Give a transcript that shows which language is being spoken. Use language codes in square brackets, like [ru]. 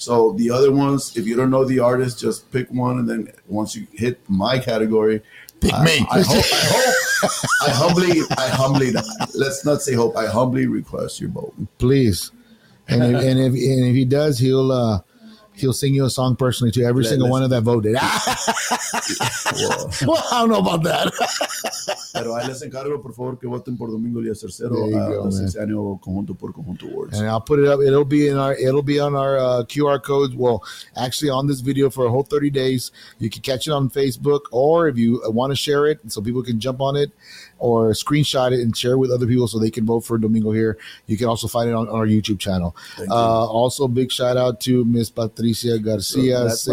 [en] So the other ones, if you don't know the artist, just pick one, and then once you hit my category, pick me. I humbly request your vote, please. And if he does, he'll sing you a song personally to every single one of that voted. Well, I don't know about that. [es] Pero ahí les encargo, por favor, que voten por Domingo Díaz Tercero, sexto año conjunto por conjunto awards. [en] And I'll put it up. It'll be on our QR codes. Well, actually, on this video for a whole 30 days. You can catch it on Facebook, or if you want to share it so people can jump on it, or screenshot it and share it with other people so they can vote for Domingo here. You can also find it on our YouTube channel. Also, big shout out to Miss Patricia Garcia. So